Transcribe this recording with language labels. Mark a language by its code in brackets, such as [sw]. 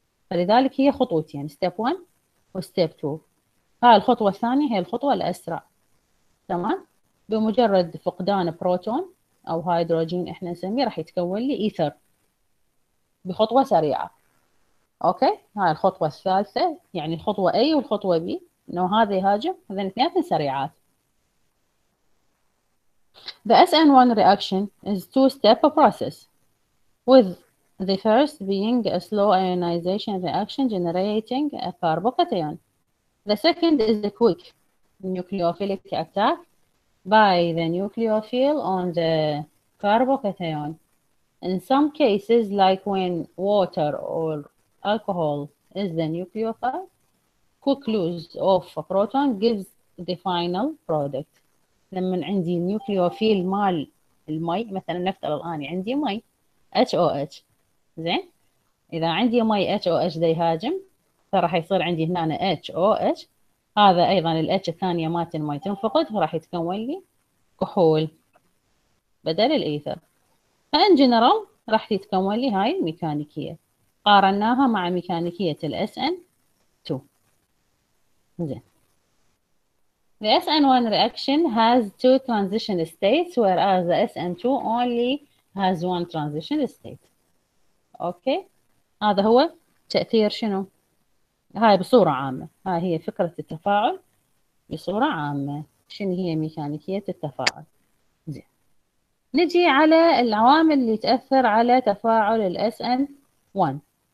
[ar] فلذلك هي خطوتين، ستيب 1 وستيب 2. هاي الخطوه الثانيه هي الخطوه الاسرع، تمام؟ بمجرد فقدان بروتون او هيدروجين احنا نسميه راح يتكون لي ايثر بخطوه سريعه. اوكي، هاي الخطوه الثالثه، يعني الخطوه اي والخطوه بي، انه هذا يهاجم، هذين اثنين سريعات. [en] The SN1 reaction is two-step process, with the first being a slow ionization reaction generating a carbocation. The second is the quick nucleophilic attack by the nucleophile on the carbocation. In some cases, like when water or alcohol is the nucleophile, quick lose of a proton gives the final product. [ar] لما عندي نيوكليوفيل مال المي، مثلا نفترض الان عندي مي HOH، زين اذا عندي مي HOH دا يهاجم، فراح يصير عندي هنا HOH، هذا ايضا ال H الثانيه مالت المي تنفقد، فراح يتكون لي كحول بدل الايثر. فان جنرال راح يتكون لي هاي الميكانيكيه. قارناها مع ميكانيكية الـ SN2. [en] زين، the SN1 reaction has two transition states whereas the SN2 only has one transition state. [ar] اوكي، هذا هو تأثير شنو؟ هاي بصورة عامة، هاي هي فكرة التفاعل بصورة عامة، شنو هي ميكانيكية التفاعل؟ زين، نجي على العوامل اللي تأثر على تفاعل الـ SN1.